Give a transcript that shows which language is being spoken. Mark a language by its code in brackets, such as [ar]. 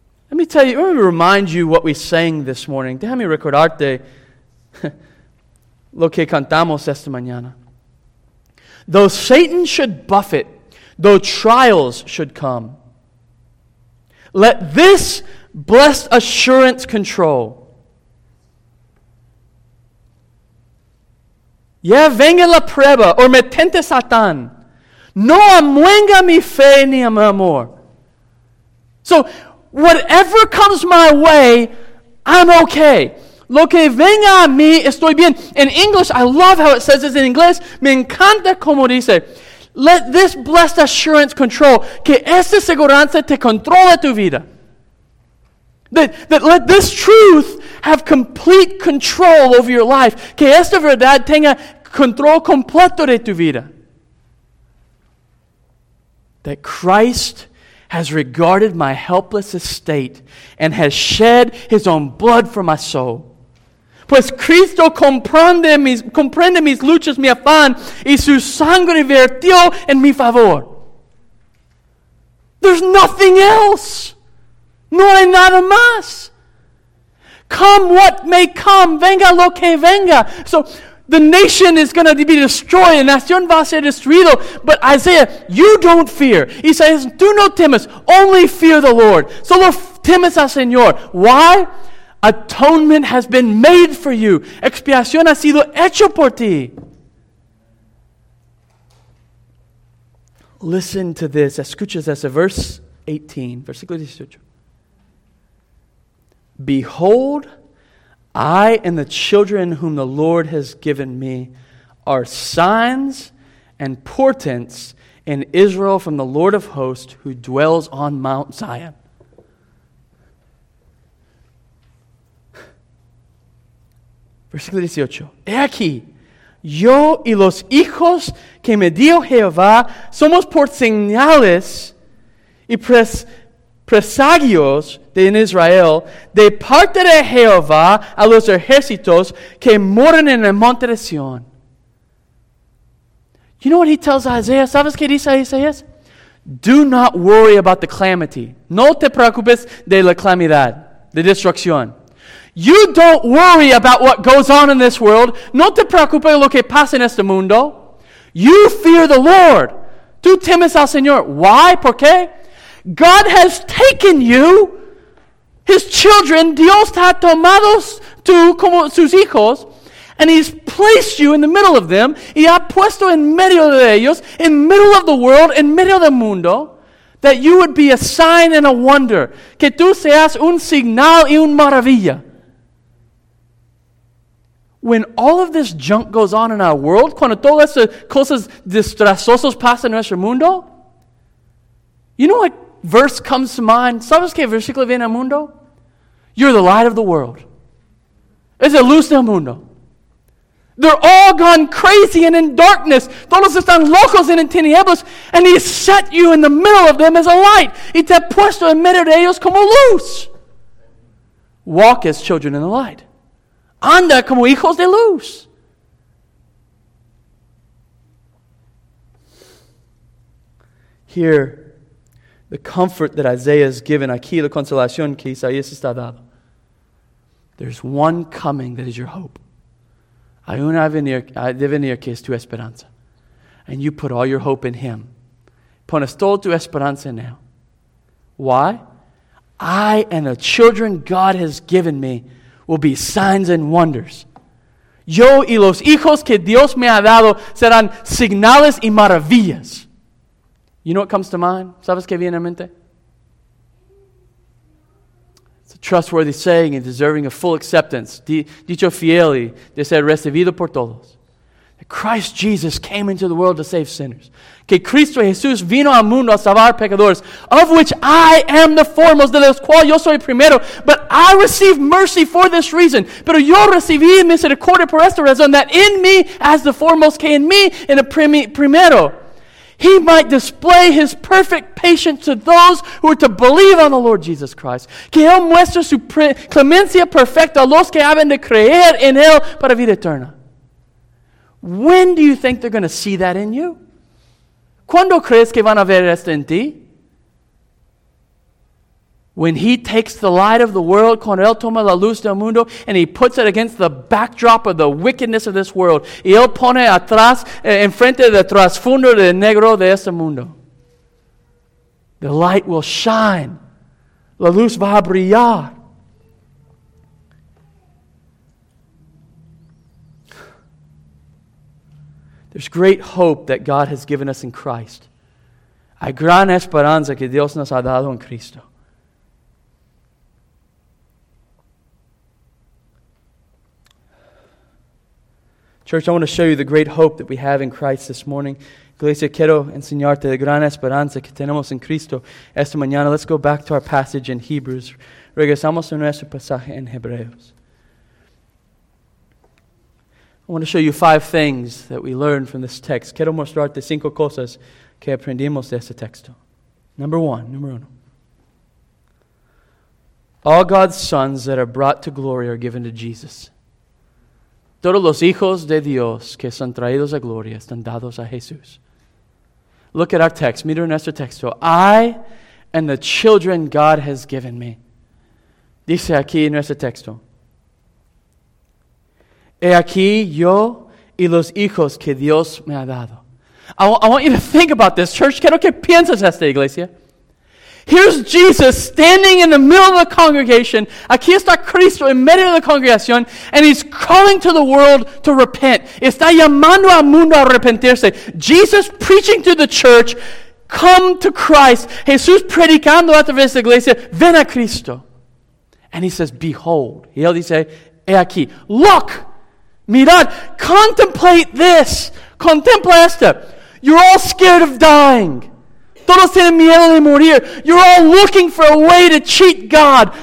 [en] Let me tell you, let me remind you what we sang this morning. [es] Déjame recordarte lo que cantamos esta mañana. [en] Though Satan should buffet, though trials should come, let this blessed assurance control. [es] Ya venga la prueba, o me tente Satán. No amuenga mi fe ni mi amor. [en] So, whatever comes my way, I'm okay. [es] Lo que venga a mí, estoy bien. [en] In English, I love how it says this in English. [es] Me encanta como dice, [en] let this blessed assurance control, [es] que esta seguranza te controle tu vida. [en] That let this truth have complete control over your life. [es] Que esta verdad tenga control completo de tu vida. [en] That Christ has regarded my helpless estate and has shed his own blood for my soul. [es] Pues Cristo comprende mis luchas, mi afán, y su sangre vertió en mi favor. [en] There's nothing else. [es] No hay nada más. [en] Come what may come. [es] Venga lo que venga. [en] So, the nation is going to be destroyed. [es] La nación va a ser destruido. [en] But Isaiah, you don't fear. He says, [es] tú no temes. [en] Only fear the Lord. [es] Solo temes al Señor. [en] Why? Atonement has been made for you. [es] Expiación ha sido hecho por ti. [en] Listen to this. [es] Escuchas ese. [en] Verse 18. [es] Versículo 18. [en] Behold, I and the children whom the Lord has given me are signs and portents in Israel from the Lord of hosts who dwells on Mount Zion. [es] Versículo 18. He aquí, yo y los hijos que me dio Jehová somos por señales y presagios de en Israel, de parte de Jehová a los ejércitos que moran en el monte de Sion. [en] You know what he tells Isaiah? [es] ¿Sabes qué dice Isaías? [en] Do not worry about the calamity. [es] No te preocupes de la calamidad, de destrucción. [en] You don't worry about what goes on in this world. [es] No te preocupes lo que pasa en este mundo. [en] You fear the Lord. [es] Tú temes al Señor. [en] Why? [es] ¿Por qué? [en] God has taken you, his children, [es] Dios te ha tomado tú como sus hijos, [en] and he's placed you in the middle of them, [es] y ha puesto en medio de ellos, [en] in the middle of the world, in [es] medio del mundo, [en] that you would be a sign and a wonder, [es] que tú seas un signal y un maravilla. [en] When all of this junk goes on in our world, [es] cuando todas esas cosas distrazosas pasan en nuestro mundo, [en] you know what verse comes to mind? [es] ¿Sabes qué versículo viene al mundo? [en] You're the light of the world. [es] Es la luz del mundo. [en] They're all gone crazy and in darkness. [es] Todos están locos y en tinieblas. [en] And he set you in the middle of them as a light. [es] Y te ha puesto en medio de ellos como luz. [en] Walk as children in the light. [es] Anda como hijos de luz. [en] Here, the comfort that Isaiah is given. [es] Aquí la consolación que Isaías está dando. [en] There's one coming that is your hope. [es] Hay un devenir que es tu esperanza. [en] And you put all your hope in him. [es] Pones toda tu esperanza en él. [en] Why? I and the children God has given me will be signs and wonders. [es] Yo y los hijos que Dios me ha dado serán señales y maravillas. [en] You know what comes to mind? [es] ¿Sabes qué viene a mente? [en] It's a trustworthy saying and deserving of full acceptance. [es] Dicho fieli de ser recibido por todos. [en] That Christ Jesus came into the world to save sinners. [es] Que Cristo Jesús vino al mundo a salvar pecadores, [en] of which I am the foremost, [es] de los cuales yo soy primero. [en] But I receive mercy for this reason. [es] Pero yo recibí misericordia por esta razón, [en] that in me as the foremost, [es] que en mí en el primero, [en] he might display his perfect patience to those who are to believe on the Lord Jesus Christ. [es] Que él muestre su clemencia perfecta a los que haben de creer en él para vida eterna. [en] When do you think they're going to see that in you? [es] ¿Cuándo crees que van a ver esto en ti? [en] When he takes the light of the world, [es] cuando él toma la luz del mundo, [en] and he puts it against the backdrop of the wickedness of this world, [es] y él pone atrás, enfrente del trasfondo de negro de este mundo, [en] the light will shine. [es] La luz va a brillar. [en] There's great hope that God has given us in Christ. [es] Hay gran esperanza que Dios nos ha dado en Cristo. [en] Church, I want to show you the great hope that we have in Christ this morning. [es] Iglesia, quiero enseñarte la gran esperanza que tenemos en Cristo esta mañana. [en] Let's go back to our passage in Hebrews. [es] Regresamos a nuestro pasaje en Hebreos. [en] I want to show you five things that we learned from this text. [es] Quiero mostrarte cinco cosas que aprendimos de este texto. [en] Number one. All God's sons that are brought to glory are given to Jesus. [es] Todos los hijos de Dios que son traídos a gloria están dados a Jesús. [en] Look at our text. [es] Mira nuestro texto. [en] I and the children God has given me. [es] Dice aquí en nuestro texto. He aquí yo y los hijos que Dios me ha dado. [en] I want you to think about this, church. [es] Quiero que pienses esta iglesia. [en] Here's Jesus standing in the middle of the congregation. [es] Aquí está Cristo en medio de la congregación. [en] And he's calling to the world to repent. [es] Está llamando al mundo a arrepentirse. [en] Jesus preaching to the church, come to Christ. [es] Jesús predicando a través de la iglesia, ven a Cristo. [en] And he says, behold. [es] Y él dice, he aquí. [en] Look. [es] Mirad. [en] Contemplate this. [es] Contempla esto. [en] You're all scared of dying. [es] Todos tienen miedo de morir. [en] You're all looking for a way to cheat God.